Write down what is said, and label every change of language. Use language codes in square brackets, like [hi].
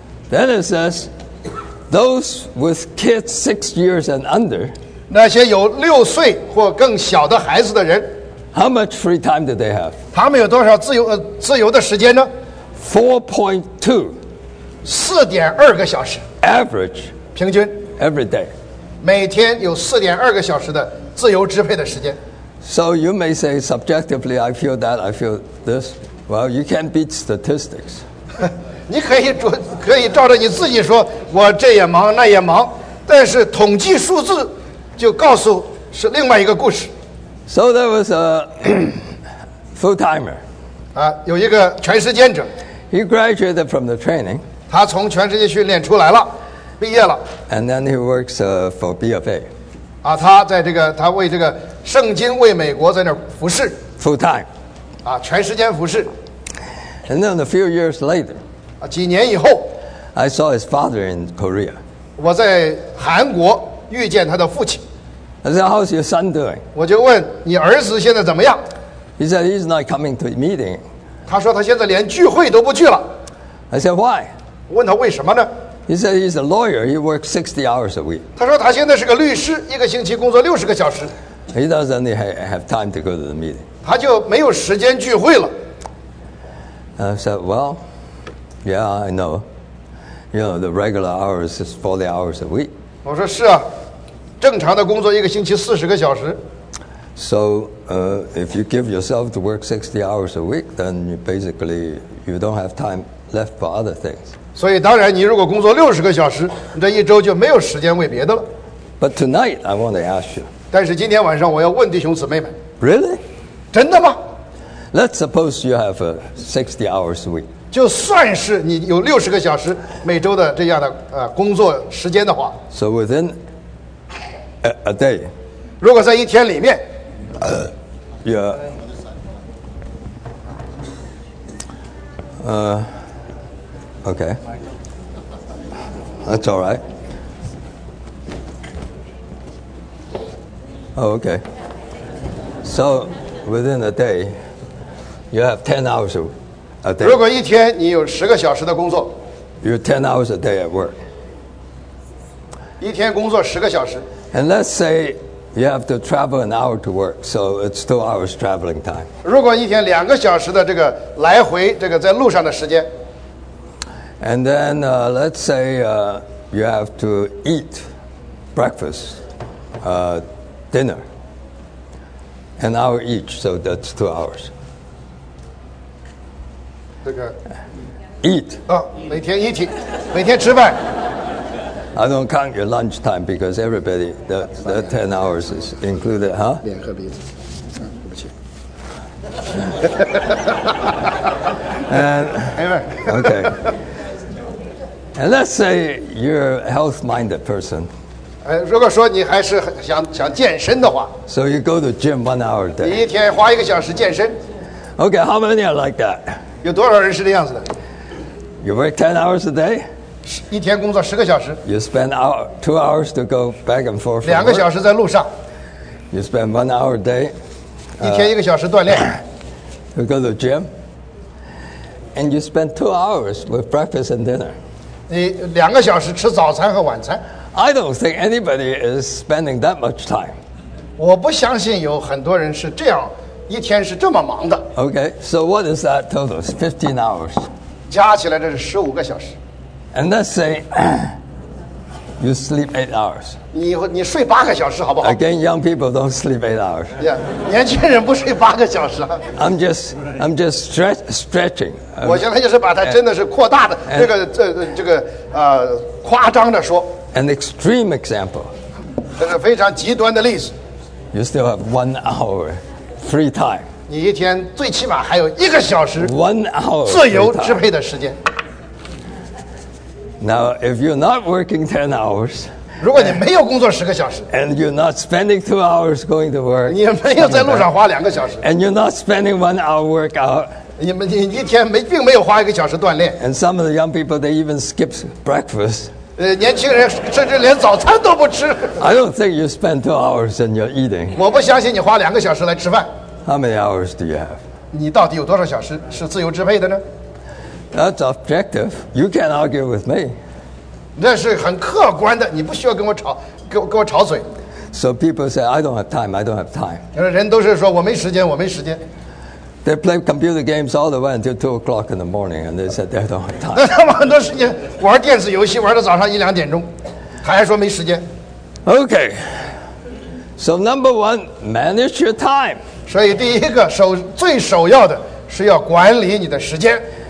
[en] Then it says, those with kids 6 years and under, [zh] 那些有六岁或更小的孩子的人。 [en] How much free time do they have? [zh] 他们有多少自由的时间呢？ [en] 4.2, [zh] 四点二个小时。 [en] Average. [zh] 平均 [en] every day, [zh] 每天有四点二个小时的自由支配的时间。 [en] So you may say subjectively, I feel that, I feel this. Well, you can't beat statistics. [zh] 你可以照着你自己说，我这也忙那也忙，但是统计数字就告诉是另外一个故事。 [en] So there was a full timer. [zh] 啊，有一个全时间者。 [en] He graduated from the training. [zh] 他从全时间训练出来了。毕业了 [en] ，and then he works for B of A. [zh] 啊，他在这个，他为这个圣经为美国在那儿服侍 [en] ，full time. [zh] 啊，全时间服侍。 [en] And then a few years later, [zh] 啊，几年以后 [en] ，I saw his father in Korea. [zh] 我在韩国遇见他的父亲。 [en] I said, "How's your son doing?" [zh] 我就问你儿子现在怎么样 [en] ？He said he's not coming to meeting. [zh] 他说他现在连聚会都不去了。 [en] I said, "Why?" [zh] 问他为什么呢？ [en] He said he's a lawyer. He works 60 hours a week. [zh] 他说他现在是个律师，一个星期工作60个小时。 [en] He doesn't have time to go to the meeting. [zh] 他就没有时间聚会了。 [en] I said, well, yeah, I know. You know, the regular hours is 40 hours a week. [zh] 我说是啊，正常的工作一个星期40个小时。 [en] So, if you give yourself to work 60 hours a week, then you basically you don't have time left for other things. [zh] 所以当然你如果工作六十个小时你这一周就没有时间为别的了。 [en] But tonight I want to ask you. [zh] 但是今天晚上我要问弟兄姊妹们。 [en] Really? [zh] 真的吗 [en] ?Let's suppose you have a 60 hours a week. [zh] 就算是你有六十个小时每周的这样的工作时间的话。 [en] So within a day. [zh] 如果在一天里面。 [en] Okay, that's all right. Okay. So within a day, you have 10 hours a day. [zh] 如果一天你有十个小时的工作。 [en] You have 10 hours a day at work. [zh] 一天工作十个小时。 [en] And let's say you have to travel an hour to work, so it's 2 hours traveling time. [zh] 如果一天两个小时的这个来回，这个在路上的时间。 [en] And then let's say you have to eat breakfast, dinner, an hour each, so that's 2 hours. [zh] 这个 [en] eat [zh] 啊、oh, ，每天 [en] eating， [zh] 每天吃饭。 [en] I don't count your lunch time because everybody the 10 hours is included, huh? [zh] 两个鼻子，对不起。 [en] And okay. And let's say you're a health-minded person. [zh] 如果说你还是想健身的话 [en] ，So you go to gym 1 hour a day. [zh] 你一天花一个小时健身。 [en] Okay, how many are like that? [zh] 有多少人是这样子的 [en] ？You work 10 hours a day. [zh] 一天工作十个小时。 [en] You spend two hours to go back and forth. [zh] 两个小时在路上。 [en] You spend 1 hour a day. [zh] 一天一个小时锻炼。 [en] You go to gym. And you spend 2 hours with breakfast and dinner. [zh] 你两个小时吃早餐和晚餐。 [en] I don't think anybody is spending that much time. [zh] 我不相信有很多人是这样，一天是这么忙的。 [en] Okay, so what is that total? 15 hours. [zh] 加起来这是十五个小时。 [en] And let's say you sleep 8 hours. [zh] 你睡八个小时好不好 [en] ？Again, young people don't sleep 8 hours. [zh] Yeah, 年轻人不睡八个小时。 [en] I'm just stretching. [zh] 我现在就是把它真的是扩大的 这个夸张的说。 [en] An extreme example. [zh] 这是非常极端的例子。 [en] You still have 1 hour free time. [zh] 你一天最起码还有一个小时 [en] 1 hour [zh] 自由支配的时间。 [en] Now, if you're not working 10 hours, [zh] 如果你没有工作十个小时 [en] and you're not spending 2 hours going to work, [zh] 你没有在路上花两个小时 [en] and you're not spending 1 hour workout, [zh] 你一天并没有花一个小时锻炼 [en] and some of the young people, they even skip breakfast. [zh] 年轻人甚至连早餐都不吃 [en] I don't think you spend 2 hours and you're eating. [zh] 我不相信你花两个小时来吃饭 [en] How many hours do you have? [zh] 你到底有多少小时是自由支配的呢？ [en] That's objective. You can't argue with me. [zh] 那是很客观的，你不需要跟我吵，跟我吵嘴。 [en] So people say, I don't have time. I don't have time. [zh] 就是人都是说我没时间，我没时间。 [en] They play computer games all the way until 2 o'clock in the morning, and they said they don't have time. [zh] 那他们很多时间玩电子游戏，玩到早上一两点钟，还说没时间。 [en] Okay. So number one, manage your time. [zh] 所以第一个最首要的是要管理你的时间。